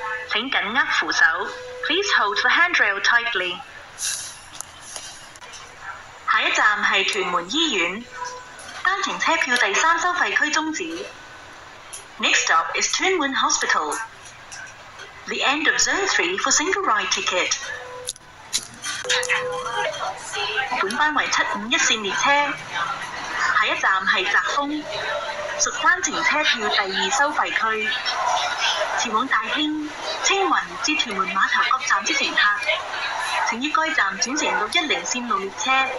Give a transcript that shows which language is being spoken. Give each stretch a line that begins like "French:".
Chinese: 请紧握扶手。
English: Please hold the handrail tightly.
Chinese: 下一站是屯門醫院，單程車票第三收費區終止。
English: Next stop is 屯門 Hospital. The end of zone 3 for single ride ticket.
Chinese: 本班為751線列車，下一站是澤豐，屬單程車票第二收費區。前往大興、青雲至屯門碼頭各站之乘客，請於該站轉乘到10線路列車。